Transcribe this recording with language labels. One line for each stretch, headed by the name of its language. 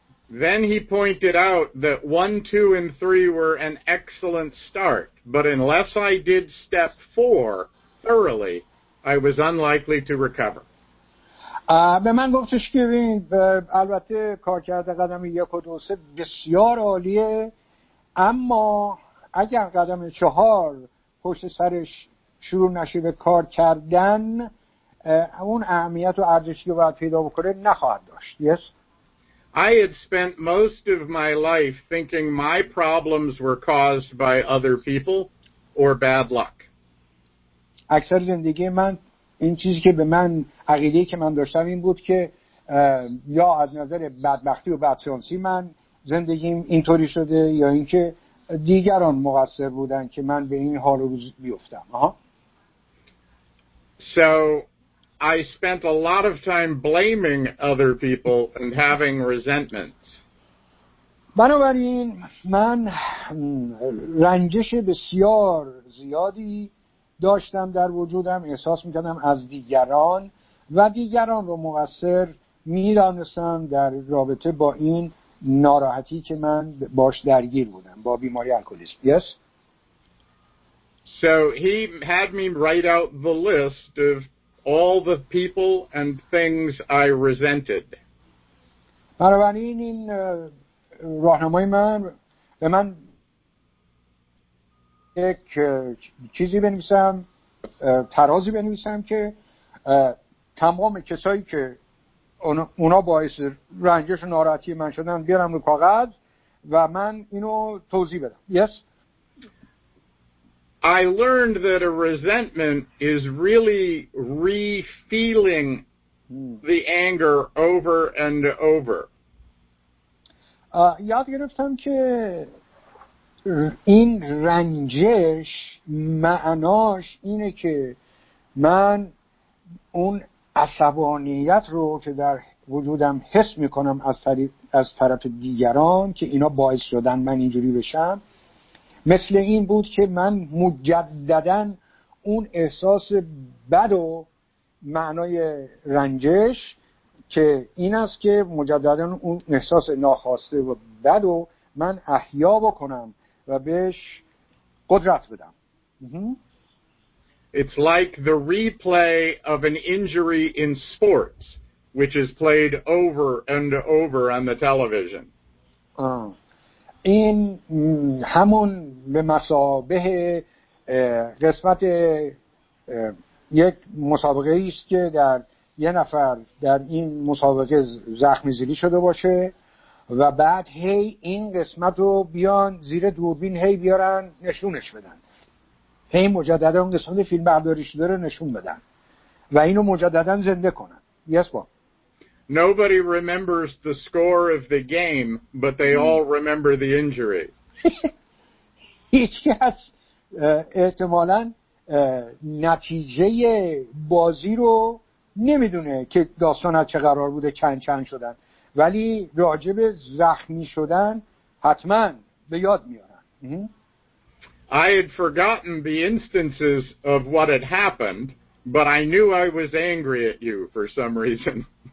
English: Then he pointed out that 1, 2, and 3 were an excellent start, but unless I did step 4 thoroughly, I was unlikely to recover.
Persian: به من گفتش که ببین، البته کار کرده قدم 1 و 2 و 3 بسیار عالیه، اما اگر قدم 4 پشت سرش شروع نشه به کار کردن، اون اهمیت و ارزشی رو باید پیدا بکنه نخواهد داشت.
English: Yes? I had spent most of my life thinking my problems were caused by other people or bad luck.
Persian: اکثر زندگی من این چیزی که به من عقیده‌ای که من داشتم این بود که یا از نظر بدبختی و بدشانسی من زندگیم اینطوری شده یا اینکه دیگران مقصر بودن که من به این حال روز بیفتم.
English: So I spent a lot of time blaming other people and having resentments.
Persian: بنابراین من رنجش بسیار زیادی داشتم در وجودم، احساس میکردم از دیگران و دیگران رو مقصر میدانستم در رابطه با این ناراحتی که من باش درگیر بودم با بیماری الکلیسم.
English: Yes? So he had me write out the list of all the people and things I resented.
Persian: بنابراین این راهنمای من به من یک چیزی بنویسم، ترازی بنویسم که تمام کسایی که اونا باعث رنجش و ناراحتی من شدن بیارم رو کاغذ و من اینو توضیح بدم.
English: Yes? I learned that a resentment is really re-feeling the anger over and over.
Persian: یاد گرفتم که این رنجش معناش اینه که من اون عصبانیت رو که در وجودم حس میکنم از طرف دیگران که اینا باعث شدن من اینجوری بشم، مثل این بود که من مجدداً اون احساس بد و معنای رنجش که این است که مجدداً اون احساس ناخواسته و بد و من احیا بکنم و بهش قدرت بدم.
English: It's like the replay of an injury in sports which is played over and over on the television.
Persian: این همون به مسابقه قسمت یک مسابقه است که در یه نفر در این مسابقه زخمی زیلی شده باشه و بعد هی این قسمت رو بیان زیر دوربین هی بیارن نشونش بدن، هی مجددا اون قسمت فیلم برداری شده رو نشون بدن و اینو مجددا زنده کنن.
English: Yes, Bob. Nobody remembers the score of the game, but they all remember the injury.
Persian: هیچ کس احتمالا نتیجه بازی رو نمیدونه که داستان از چه قرار بوده چند شدن، ولی راجب زخمی شدن حتما به یاد میارن.
English: I had forgotten the instances of what had happened, but I knew I was angry at you for some reason.